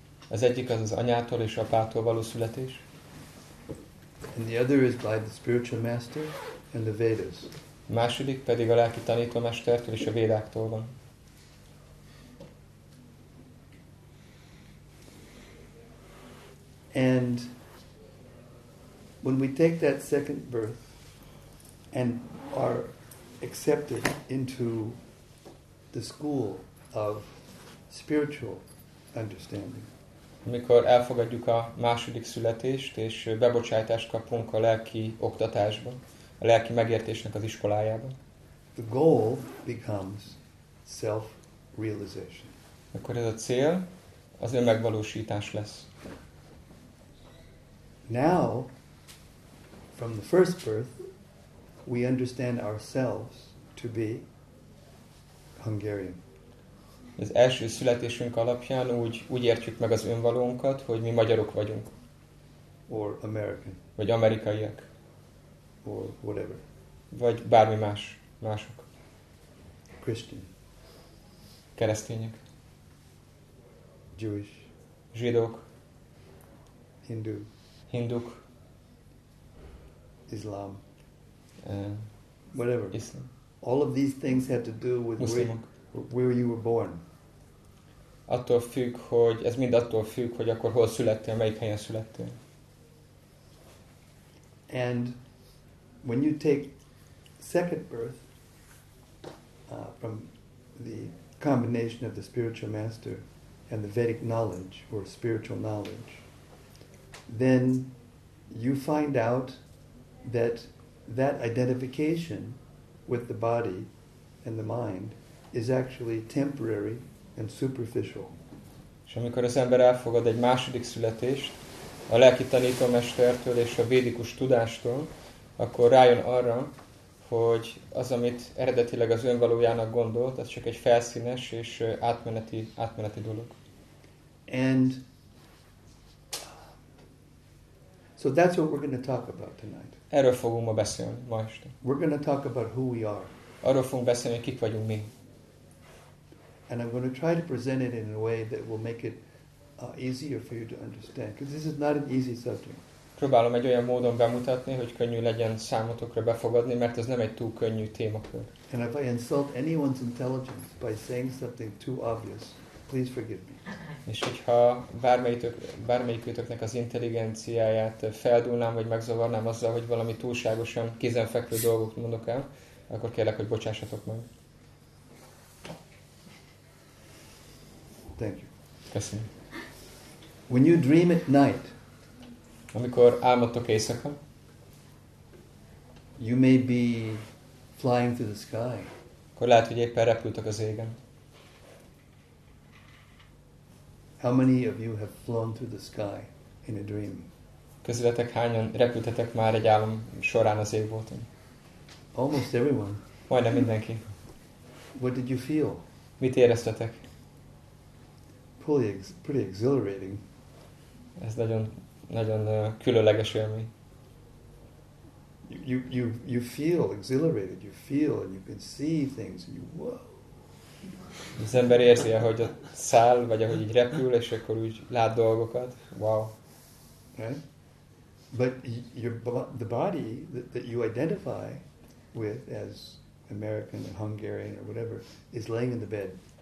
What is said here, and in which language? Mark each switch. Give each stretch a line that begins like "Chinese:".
Hungarian: Az egyik az anyától és apától való születés.
English: And the other is by the spiritual master and the Vedas.
Hungarian: Második pedig a lelki tanítómestertől és a Védáktól van.
English: And when we take that second birth and are accepted into the school of spiritual understanding.
Hungarian: Amikor elfogadjuk a második születést és bebocsátást kapunk a lelki oktatásba, a lelki megértésnek az iskolájába.
English: The goal becomes self-realization.
Hungarian: Akkor ez a cél az önmegvalósítás lesz.
English: Now, from the first birth, we understand ourselves to be Hungarian.
Hungarian: Az első születésünk alapján úgy értjük meg az önvalónkat, hogy mi magyarok vagyunk.
English: Or American.
Hungarian: Vagy amerikaiak.
English: Or whatever.
Hungarian: Vagy bármi más, mások.
English: Christian.
Hungarian: Keresztények.
English: Jewish.
Hungarian: Zsidók.
English: Hindu.
Hungarian: Hinduk.
English: Islam. Whatever.
Hungarian: Islam.
English: All of these things have to do with where you were born.
Hungarian: Attól függ, hogy ez mind attól függ, hogy akkor hol születtél, melyik helyen születtél.
English: And when you take second birth from the combination of the spiritual master and the Vedic knowledge or spiritual knowledge, then you find out that identification with the body and the mind is actually temporary and superficial.
Hungarian: És amikor az ember elfogad egy második születést a lelki tanítómestertől és a védikus tudástól, akkor rájön arra, hogy az, amit eredetileg az önvalójának gondolt, az csak egy felszínes és átmeneti dolog.
English: And so that's what we're going to talk about tonight.
Hungarian: Erről fogunk ma beszélni ma este.
English: We're going to talk about who we are.
Hungarian: Arról fogunk beszélni, kik vagyunk mi.
English: And I'm going to try to present it in a way that will make it easier for you to understand, because this is not an easy subject.
Hungarian: Próbálom egy olyan módon bemutatni, hogy könnyű legyen számotokra befogadni, mert ez nem egy túl könnyű témakör.
English: And if I insult anyone's intelligence by saying something too obvious, please forgive me.
Hungarian: És hogyha bármelyikőtöknek az intelligenciáját feldúlnám, vagy megzavarnám azzal, hogy valami túlságosan kézenfekvő dolgot mondok el, akkor kérlek, hogy bocsássatok meg.
English: Thank you.
Hungarian: Köszönöm.
English: When you dream at night,
Hungarian: amikor álmodtok éjszaka,
English: you may be flying through the sky.
Hungarian: Akkor lehet, hogy éppen repültök az égen.
English: How many of you have flown through the sky in a dream?
Hungarian: Közületek hányan repültetek már egy álom során az égbolton?
English: Almost everyone.
Hungarian: Majdnem mindenki.
English: What did you feel?
Hungarian: Mit éreztetek?
English: Pretty exhilarating.
Hungarian: Ez nagyon különleges élmény.
English: You feel exhilarated. You feel and you can see things. And you whoa.
Hungarian: Az ember érzi, ahogy a száll, vagy ahogy így repül, és akkor úgy lát dolgokat.
English: Wow. Okay. But the body that you identify with as American or Hungarian or whatever is laying in the bed.